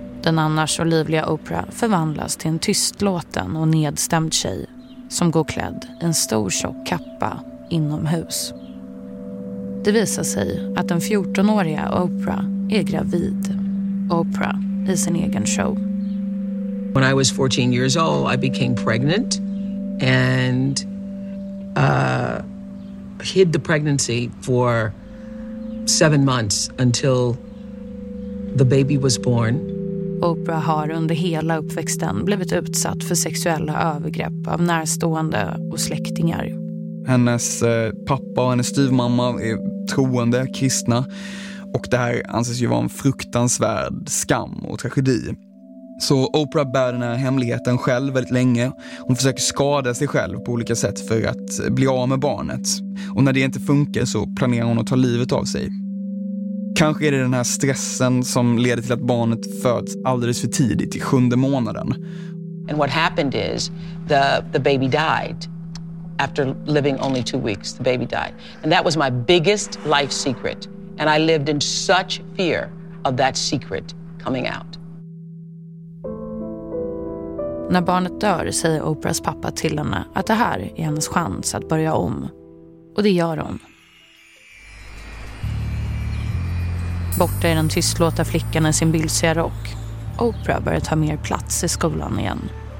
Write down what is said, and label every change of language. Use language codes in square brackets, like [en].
[sv] Den annars så livliga Oprah förvandlas till en tystlåten och nedstämd tjej som går klädd i en stor tjock kappa inomhus. Det visar sig att den 14-åriga Oprah är gravid. Oprah i sin egen show. [en] When I was 14 years old, I became pregnant and hid the pregnancy for 7 months until the baby was born. [sv] Oprah har under hela uppväxten blivit utsatt för sexuella övergrepp av närstående och släktingar. Hennes pappa och hennes styvmamma är troende, kristna. Och det här anses ju vara en fruktansvärd skam och tragedi. Så Oprah bär den här hemligheten själv väldigt länge. Hon försöker skada sig själv på olika sätt för att bli av med barnet. Och när det inte funkar så planerar hon att ta livet av sig. Kanske är det den här stressen som leder till att barnet föds alldeles för tidigt i sjunde månaden. [en] And what happened is the baby died. After living only 2 weeks, the baby died. And that was my biggest life secret. And I lived in such fear of that secret coming out. [sv] När barnet dör säger Oprahs pappa till henne att det här är hennes chans att börja om. Och det gör hon. Borta i den tystlåta flickan i sin bylsiga rock. Oprah börjar ta mer plats i skolan igen.